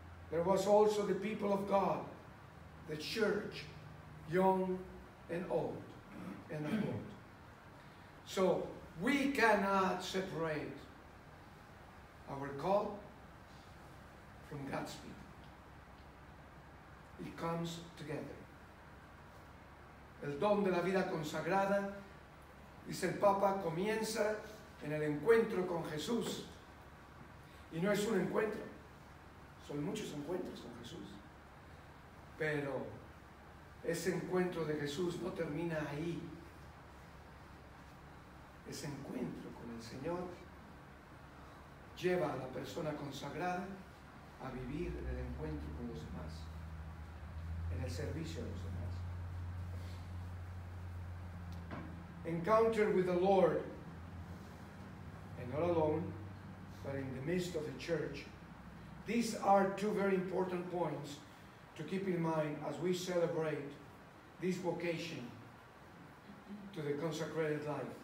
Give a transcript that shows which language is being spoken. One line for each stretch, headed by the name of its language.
English: There was also the people of God, the church, young and old, and old. So we cannot separate our call from God's people. It comes together.
Spanish: El don de la vida consagrada, dice el Papa, comienza en el encuentro con Jesús. Y no es un encuentro, son muchos encuentros con Jesús. Pero ese encuentro de Jesús no termina ahí. Ese encuentro con el Señor lleva a la persona consagrada a vivir en el encuentro con los demás, en el servicio a los demás.
English: Encounter with the Lord, and not alone, but in the midst of the church. These are two very important points to keep in mind as we celebrate this vocation to the consecrated life.